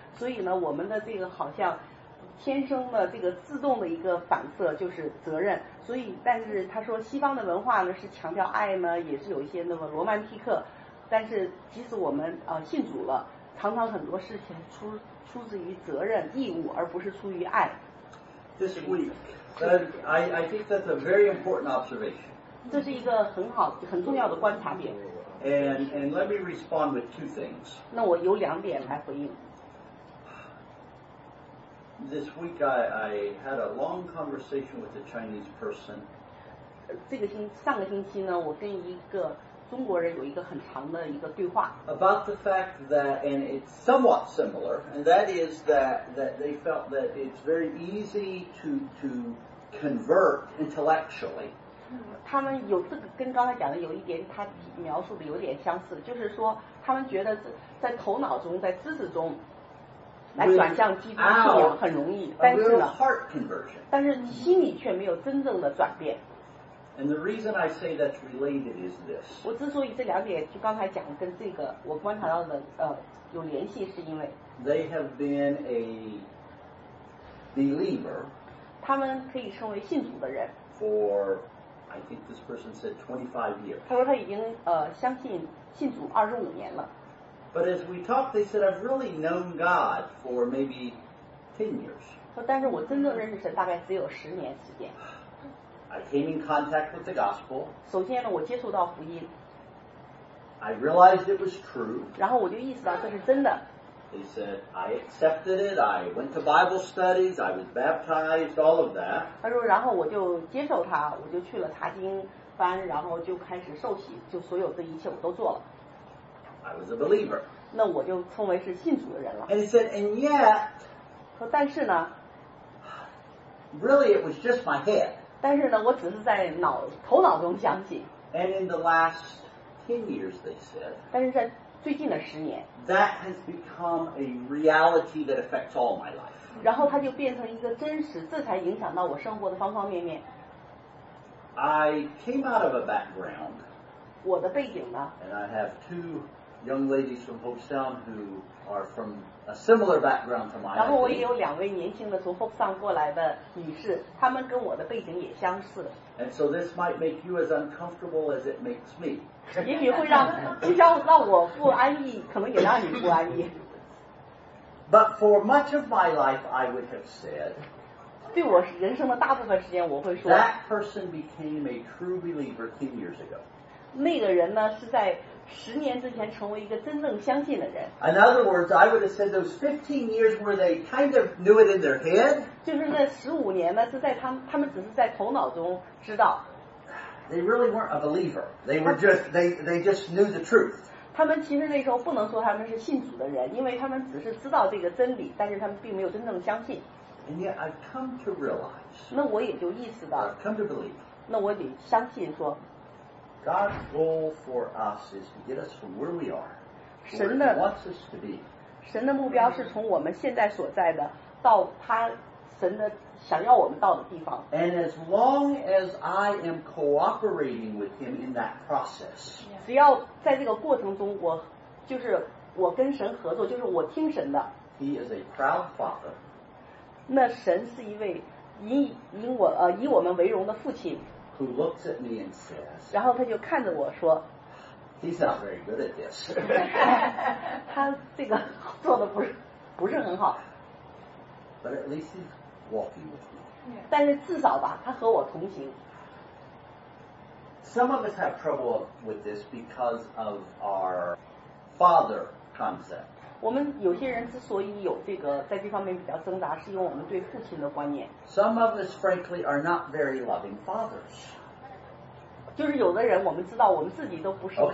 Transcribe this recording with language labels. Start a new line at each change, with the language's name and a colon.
Chinese: 所以呢，我们的这个好像天生的这个自动的一个反射就是责任。所以但是他说西方的文化呢是强调爱呢，也是有一些那么罗曼蒂克，但是即使我们信主了，常常很多事情出自于责任义务，而不是出于爱。
English: This week, I think that's a very important observation.
Chinese: 这是一个很好很重要的观察点。
English: And let me respond with two things.
Chinese: 那我有两点来回应。
English: This week I had a long conversation with a Chinese person.
Chinese: 上个星期呢，我跟一个中国人有一个很长的一个对话。
English: About the fact that, and it's somewhat similar, and that is that they felt that it's very easy to convert intellectually.
Chinese: 他们有这个跟刚才讲的有一点，他描述的有点相似，就是说他们觉得在头脑中，在知识中来转向基督信仰很容易，但是呢
English: ，a little heart conversion.
Chinese: 但是心里却没有真正的转变。
English: And the reason I say that's related is this.
Chinese: 我之所以这两点就刚才讲跟这个我观察到的有联系，是因为
English: they have been a believer.
Chinese: 他他们可以称为信徒的人。
English: For, I think this person said 25 years.
Chinese: 他说他已经相信信主25年了。
English: But as we talked, they said, I've really known God for maybe 10 years.
Chinese: 说但是我真正认识神大概只有十年时间。
English: I came in contact with the gospel.
Chinese: 首先呢，我接触到福音。
English: I realized it was true.
Chinese: 然后我就意识到这是真的。
English: They said, I accepted it, I went to Bible studies, I was baptized, all of that.
Chinese: 他说然后我就接受他，我就去了查经班，然后就开始受洗，就所有这一切我都做了。
English: I was a believer.
Chinese: 那我就称为是信主的人了。
English: And he said, and yet,
Chinese: 说但是呢，
English: really it was just my head.
Chinese: 但是呢，我只是在头脑中相信。
English: And in the last 10 years, they said,
Chinese: 但是在最近的十年
English: that has become a reality that affects all my life.
Chinese: 然后它就变成一个真实，这才影响到我生活的方方面面。
English: I came out of a background.
Chinese: 我的背景呢？
English: And I have two young ladies from Hopestown who are from a similar background to mine.
Chinese: 然后我也有两位年轻的从 Hopestown 过来的女士，她们跟我的背景也相似。
English: And so this might make you as uncomfortable as it makes me.
Chinese: 也许会让我不安逸，可能也让你不安逸。
English: But for much of my life, I would have said.
Chinese: 对我人生的大部分时间，我会说。
English: That person became a true believer 10 years ago.
Chinese: 那个人呢，是在十年之前成为一个真正相信的人。
English: In other words, I would have said those 15 years where they kind of knew it in their head.
Chinese: 就是那十五年呢，是在他们只是在头脑中知道。
English: They really weren't a believer. They were just they just knew the truth.
Chinese: 他们其实那时候不能说他们是信主的人，因为他们只是知道这个真理，但是他们并没有真正相信。
English: And yet I've come to realize.
Chinese: 那我也就意识到。
English: I've come to believe.
Chinese: 那我得相信说。
English: God's goal for us is to get us from where we are, where He wants us to be.
Chinese: 神的目标是从我们现在所在的到他神的想要我们到的地方。
English: And as long as I am cooperating with Him in that process,
Chinese: 只要在这个过程中我就是我跟神合作，就是我听神的。
English: He is a proud father.
Chinese: 那神是一位以我们为荣的父亲。
English: Who looks at me and says,
Chinese: 然后他就看着我说
English: He's not very good at this.
Chinese: 他这个做的不是很好。
English: But at least he's walking with me.
Chinese: 但是至少吧，他和我同行。
English: Some of us have trouble with this because of our father concept.
Chinese: 我们有些人之所以有这个在这方面比较挣扎，是因为我们对父亲的观念。
English: Some of us, frankly, are not very loving fathers.
Chinese: 就是有的人，我们知道我们自己都不是一个。